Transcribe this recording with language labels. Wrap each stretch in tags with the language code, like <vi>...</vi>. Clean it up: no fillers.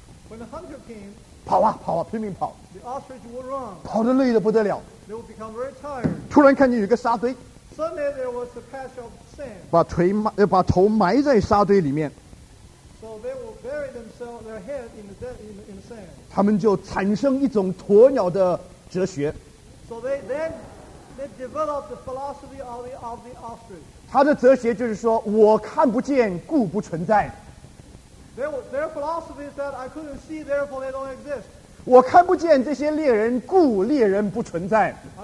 <en>When the hunter came,</en> <zh>跑啊跑啊，拼命跑。</zh> <en>The ostrich will run.</en> <zh>跑得累得不得了。</zh> <en>They will become very tired.</en> <zh>突然看见有个沙堆。</zh> <en>Suddenly there was a patch of sand.</en> <zh>把头埋在沙堆里面。</zh> <en>So they will bury themselves, their head in the sand.</en> <zh>他们就产生一种鸵鸟的哲学。</zh> <en>So they developed the philosophy of the ostrich.</en> <zh>他的哲学就是说，我看不见，故不存在。</zh> <en>Their philosophy is that I couldn't see, therefore they don't exist.</en> <zh>我看不见这些猎人，故猎人不存在。</zh>